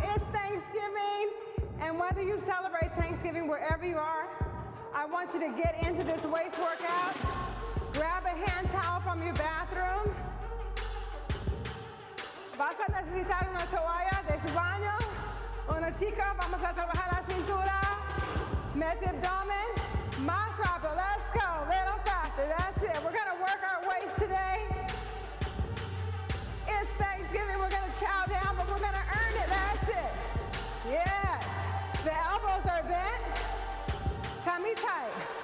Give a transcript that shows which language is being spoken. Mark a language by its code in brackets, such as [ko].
[en] It's Thanksgiving, and whether you celebrate Thanksgiving wherever you are, I want you to get into this waist workout. Grab a hand towel from your bathroom. [es] Vas a necesitar una toalla de su baño. Una chica, vamos a trabajar la cintura. Mete abdomen. Más rápido. [en] Let's go. A little faster. That's it. We're going to work our waist today. It's Thanksgiving. We're going to chow down, but we're going to earn it. That's it. Yes. The elbows are bent. Tummy tight.